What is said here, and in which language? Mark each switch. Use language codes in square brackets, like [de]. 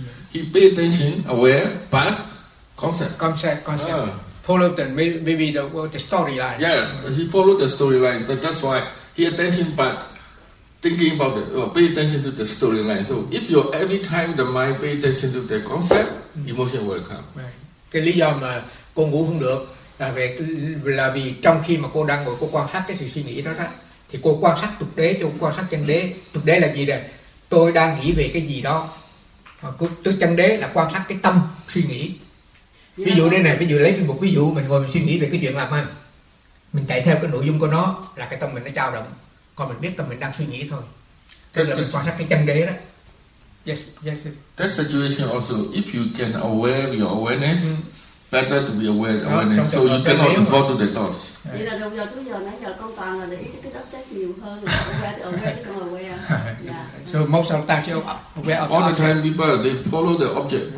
[en] He pay attention, aware, but concept. Follow the maybe the storyline. Yeah, he followed the storyline. That's why he attention, but thinking about it, or pay attention to the storyline. So if you every time the mind pay attention to the concept, emotion will come. Right. [vi] Cái lý do mà cô ngủ không được là vì trong khi mà cô đang ngồi cô quan sát cái sự suy nghĩ đó thì cô quan sát thực tế, cô quan sát chân đế. Thực tế là gì đây? Tôi đang nghĩ về cái gì đó. Tôi chân đế là quan sát cái tâm suy nghĩ. Ví dụ đây này, ví dụ lấy một ví dụ mình ngồi mình suy nghĩ về cái chuyện làm ăn, mình chạy theo cái nội dung của nó là cái tâm mình nó dao động, còn mình biết tâm mình đang suy nghĩ thôi. Tức là mình quan sát cái chân đế đó. [en] Yes. That situation also, if you can aware your awareness, better to be aware of awareness, so you cannot involve to the thoughts. [vi] Vậy là đồng giờ trước giờ nãy giờ con toàn là để ý cái đất chết nhiều hơn là aware, [en] So most of the time, you aware of all the time people they follow the object.